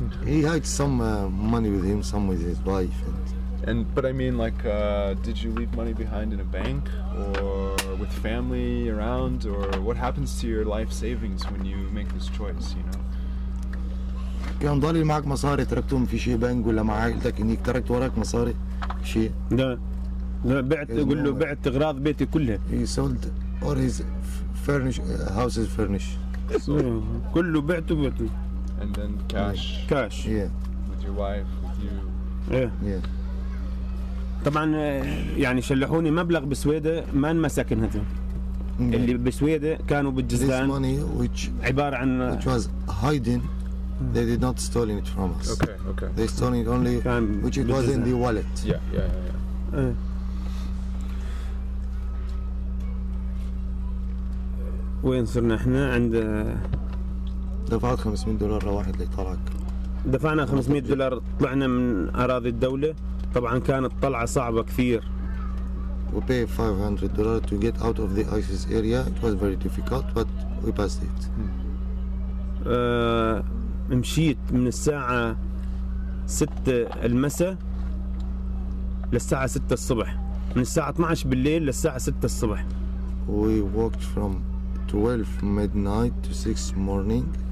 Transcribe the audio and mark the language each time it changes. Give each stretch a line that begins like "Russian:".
English: He hides some money with him, some with his wife. And but I mean, like, did you leave money behind in a bank or with family around, or what happens to your life savings when you make this choice? You know.
Arabic: كان ضالي معك مصاري تركتهم في شيء بنك ولا مع عائلتك إنك تركت وراك مصاري شيء. لا بعت أقول له بعت أغراض بيتي كلها.
English: He sold all his houses furnished.
Arabic: كله بعته.
English: And then cash. Cash. Yeah. With your wife, with you. Yeah. Yeah.
Arabic: طبعا يعني شلحوني مبلغ بسويدة ما انمسكن هذا اللي بسويدة كانوا بالجزدان.
English: This money which
Arabic: عبارة عن
English: which was hiding they did not stolen it from us. Okay. They stolen it only which it Was in the wallet. Yeah.
Arabic: وين صرنا احنا عند دفعت $500 لواحد اللي طلعك. دفعنا 500 دولار طلعنا من أراضي الدولة طبعا كانت طلعة صعبة كثير
English: We pay $500 to get out of the ISIS area. It was very difficult, but we passed it.
Arabic: مشيت من الساعة 6 المساء للساعة 6 الصبح. من الساعة 12 بالليل للساعة 6 الصبح.
English: We walked from 12 midnight to 6 morning.